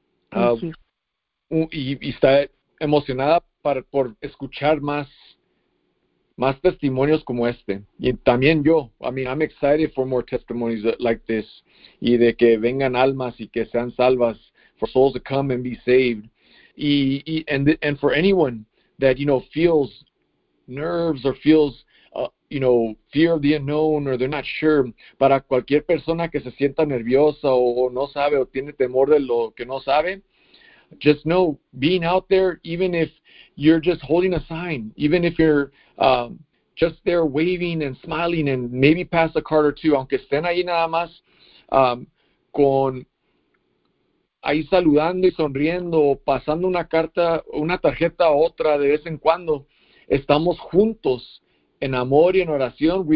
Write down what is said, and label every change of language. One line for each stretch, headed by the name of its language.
English: Thank you.
Spanish: Y está emocionada por escuchar más testimonios como este. Y también yo,
English: I mean, I'm excited for more testimonies like this.
Spanish: Y de que vengan almas y que sean salvas.
English: For souls to come and be saved. And for anyone that, you know, feels nerves or feels, you know, fear of the unknown or they're not sure.
Spanish: Para cualquier persona que se sienta nerviosa o no sabe o tiene temor de lo que no sabe.
English: Just know, being out there, even if you're just holding a sign, even if you're just there waving and smiling and maybe pass a card or two,
Spanish: aunque estén ahí nada más, con ahí saludando y sonriendo o pasando una carta, una tarjeta a otra de vez en cuando, estamos juntos en amor y en oración.